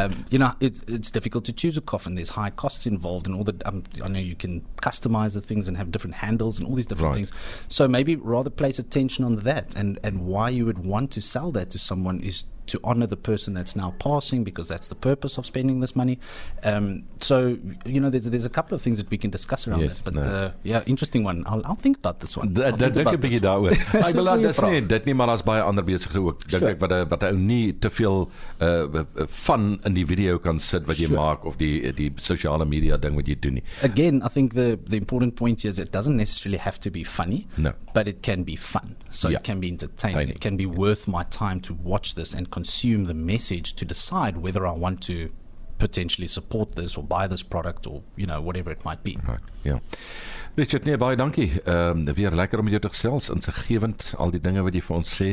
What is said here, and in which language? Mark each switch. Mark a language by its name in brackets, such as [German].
[English] You know, it's difficult to choose a coffin. There's high costs involved and all the I know you can customize the things and have different handles and all these different things. So maybe rather place attention on that and why you would want to sell that to someone is to honor the person that's now passing, because that's the purpose of spending this money. So, you know, there's a couple of things that we can discuss around that. But interesting one. I'll think about this one. [Afrikaans] Dink 'n bietjie daaroor. Ek wil dit nie, maar daar's baie ander besighede ook. Dink ek wat ou nie te veel fun in die video kan sit wat jy maak of die sosiale media ding wat jy doen nie. [English] Again, I think the important point is it doesn't necessarily have to be funny, no. But it can be fun. It can be entertaining. It can be worth my time to watch this and consume the message to decide whether I want to potentially support this or buy this product or, you know, whatever it might be. Right, yeah. [Afrikaans] Richard, nee, baie dankie. Weer lekker om jou te gesels, insiggewend, al die dinge wat jy vir ons sê.